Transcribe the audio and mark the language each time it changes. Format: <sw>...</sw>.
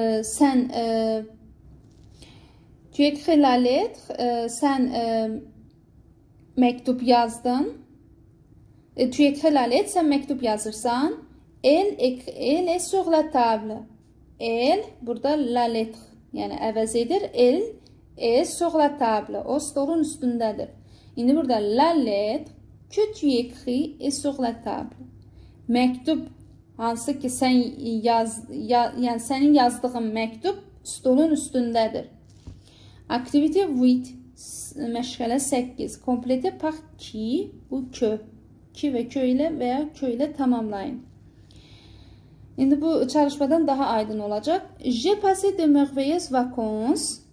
<az>Sən</az> <fr>tu écris la lettre,</fr> <az>sən məktub yazdın.</az> <fr>Tu écris la lettre,</fr> <az>sən məktub yazırsan.</az> <fr>Elle est sur la table.</fr> <az>Elle burada</az> <fr>la lettre,</fr> <az>yəni əvəz edir.</az> <fr>Elle est sur la table.</fr> <az>O stolun üstündədir. İndi burada</az> <fr>la lettre que tu écris est sur la table.</fr> <az>Məktub hansı ki sən yəni sənin yazdığın məktub stolun üstündədir. Activité 8, məşğələ 8.</az> <fr>Complétez par qui ou que.</fr> <az>Qui və kö ilə və ya kö ilə tamamlayın. İndi bu çalışmadan daha aydın olacaq.</az> <fr>J'ai passé de merveilleuses vacances.</fr>